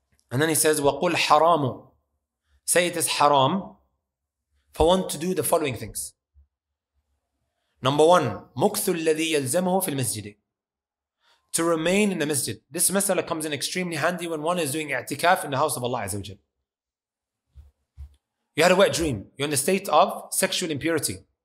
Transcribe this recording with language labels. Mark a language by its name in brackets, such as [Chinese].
[English] And then he says, [Arabic] وَقُلْ حَرَامُ. [English] Say it is haram for one to do the following things. [Arabic] Number 1, مُكْثُ الَّذِي يَلْزَمُهُ فِي الْمَسْجِدِ. [English] To remain in the masjid. This masala comes in extremely handy when one is doing i'tikaf in the house of Allah Azza wa Jal. You had a wet dream. You're in a state of sexual impurity.